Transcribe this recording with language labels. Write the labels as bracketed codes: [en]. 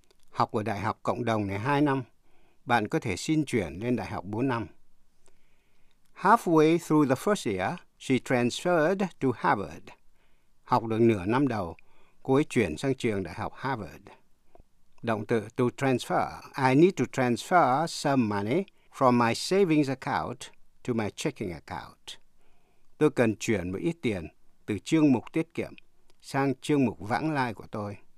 [vi] Học ở đại học cộng đồng này 2 năm, bạn có thể xin chuyển lên đại học 4 năm. [en] Halfway through the first year, she transferred to Harvard. [vi] Học được nửa năm đầu, cô ấy chuyển sang trường đại học Harvard. Động từ to transfer. [en] I need to transfer some money from my savings account to my checking account. [vi] Tôi cần chuyển một ít tiền từ chương mục tiết kiệm sang chương mục vãng lai của tôi.